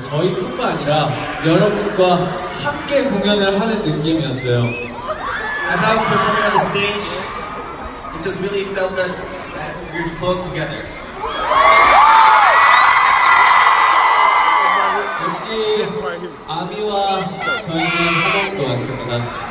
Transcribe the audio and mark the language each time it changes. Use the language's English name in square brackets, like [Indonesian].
[Korean] 저희뿐만 아니라 여러분과 함께 공연을 하는 느낌이었어요. [English] As I was performing on the stage, it just really felt us that we were close together. [Korean] 역시 아미와 저희는 하나인 것 같습니다.